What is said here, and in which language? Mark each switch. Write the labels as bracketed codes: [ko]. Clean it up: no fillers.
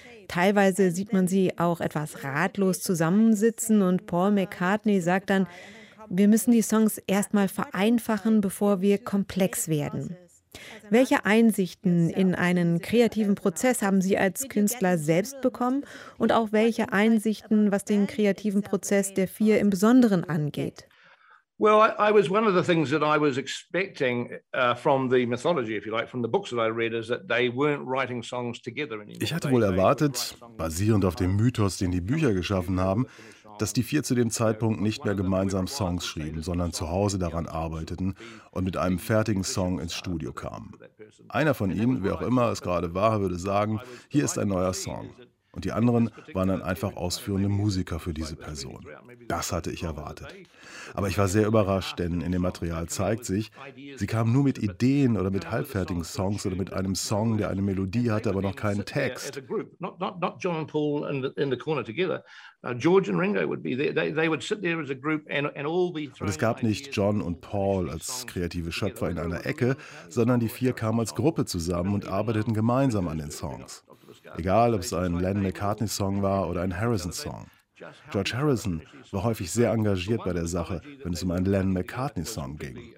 [de] Teilweise sieht man sie auch etwas ratlos zusammensitzen und Paul McCartney sagt dann, wir müssen die Songs erstmal vereinfachen, bevor wir komplex werden. Welche Einsichten in einen kreativen Prozess haben Sie als Künstler selbst bekommen? Und auch welche Einsichten, was den kreativen Prozess der vier im Besonderen angeht? [en] Well, I was one of the things that I was expecting from the mythology, if you like, from the books that I read, is that they weren't writing songs together anymore. [de] Ich hatte wohl erwartet, basierend auf dem Mythos, den die Bücher geschaffen haben, dass die vier zu dem Zeitpunkt nicht mehr gemeinsam Songs schrieben, sondern zu Hause daran arbeiteten und mit einem fertigen Song ins Studio kamen. Einer von ihnen, wer auch immer es gerade war, würde sagen, hier ist ein neuer Song. Und die anderen waren dann einfach ausführende Musiker für diese Person. Das hatte ich erwartet. Aber ich war sehr überrascht, denn in dem Material zeigt sich, sie kamen nur mit Ideen oder mit halbfertigen Songs oder mit einem Song, der eine Melodie hatte, aber noch keinen Text. [en] Not John and Paul in the corner together. George and Ringo would be there. They would sit there as a group and all be. [de] Und es gab nicht John und Paul als kreative Schöpfer in einer Ecke, sondern die vier kamen als Gruppe zusammen und arbeiteten gemeinsam an den Songs. Egal, ob es ein Lennon McCartney-Song war oder ein Harrison-Song. George Harrison war häufig sehr engagiert bei der Sache, wenn es um einen Lennon McCartney-Song ging.